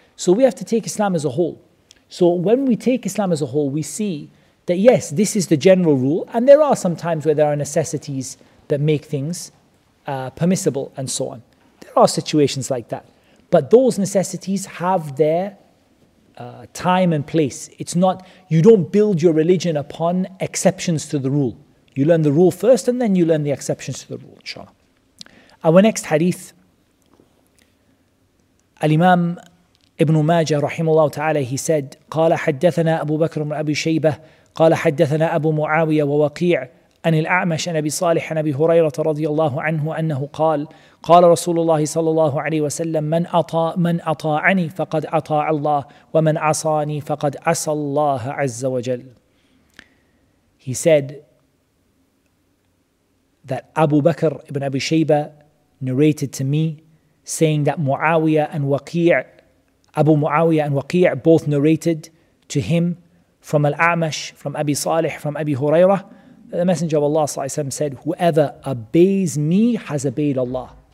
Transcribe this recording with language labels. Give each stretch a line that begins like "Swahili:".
English: So we have to take Islam as a whole. So when we take Islam as a whole, we see that yes, this is the general rule, and there are some times where there are necessities that make things permissible and so on. There are situations like that. But those necessities have their time and place. It's not, you don't build your religion upon exceptions to the rule. You learn the rule first, and then you learn the exceptions to the rule, inshallah. Our next hadith, Al-Imam Ibn Majah rahimahullah ta'ala, he said,
Arabic: قال حدثنا أبو بكر بن أبي شيبة قال حدثنا أبو معاوية ووقيع عن الأعمش عن أبي صالح عن أبي هريرة رضي الله عنه أنه قال قال رسول الله صلى الله عليه وسلم من أطاعني فقد أطاع الله ومن عصاني فقد عصى الله عز وجل.
English: He said that Abu Bakr ibn Abi Shayba narrated to me saying that Abu Muawiyah and Waqi' both narrated to him from Al-A'mash, from Abi Salih, from Abi Hurairah, that the Messenger of Allah said, whoever obeys me has obeyed Allah.